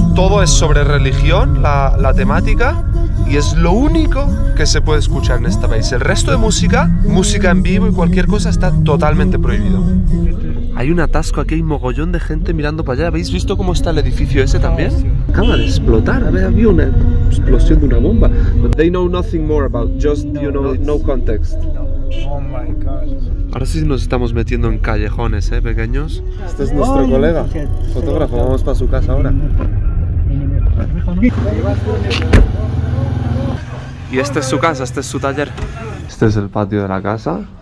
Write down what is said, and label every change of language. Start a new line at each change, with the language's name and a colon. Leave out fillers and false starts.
Spanish: Todo es sobre religión, la temática, y es lo único que se puede escuchar en este país. El resto de música, música en vivo y cualquier cosa, está totalmente prohibido. Hay un atasco aquí, hay mogollón de gente mirando para allá. ¿Habéis visto cómo está el edificio ese también? Acaba de explotar, había una explosión de una bomba.
English: But they know nothing more about, just, you know, no context.
Spanish: Ahora sí nos estamos metiendo en callejones, pequeños. Este es nuestro colega, fotógrafo, vamos para su casa ahora. Y esta es su casa, este es su taller. Este es el patio de la casa.